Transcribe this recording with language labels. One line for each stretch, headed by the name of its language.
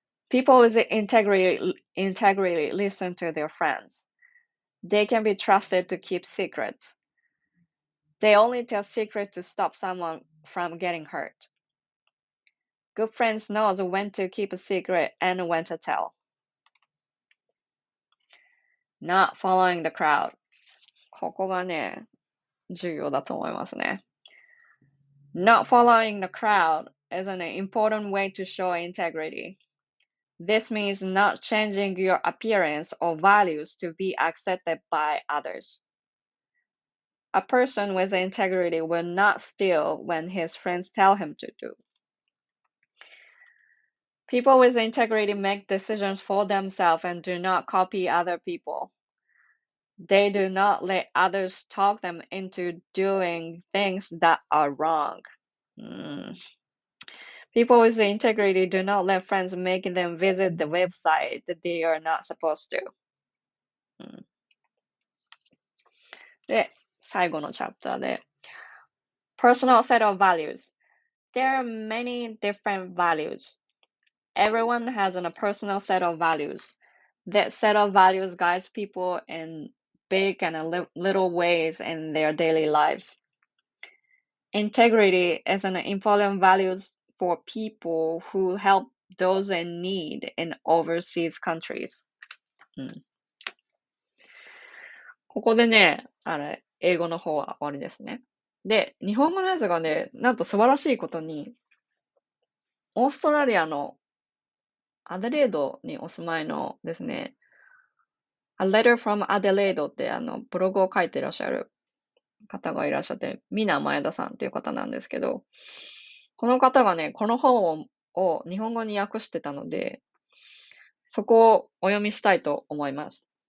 English: People with integrity listen to their friends. They can be trusted to keep secrets. They only tell secrets to stop someone from getting hurt. Good friends knows when to keep a secret and when to tell. Not following the crowd.
Japanese: ここがね、重要だと思いますね。
English: Not following the crowd is an important way to show integrity. This means not changing your appearance or values to be accepted by others. A person with integrity will not steal when his friends tell him to do. People with integrity make decisions for themselves and do not copy other people. They do not let others talk them into doing things that are wrong. People with integrity do not let friends make them visit the website that they are not supposed to.
Japanese: で、最後のチャプターで。
English: Personal set of values. There are many different values. Everyone has a personal set of values. That set of values guides people in big and little ways in their daily lives. Integrity is an important value for people who help those in need in overseas countries.
Japanese: ここでね、あれ、英語の方は終わりですね。で、日本語のやつがね、なんと素晴らしいことに、オーストラリアのアデレードにお住まいのですね、A letter from Adelaide ってあのブログを書いていらっしゃる方がいらっしゃって、ミナ・マヤダさんっていう方なんですけど、この方がね、この本 を日本語に訳してたので、そこをお読みしたいと思います。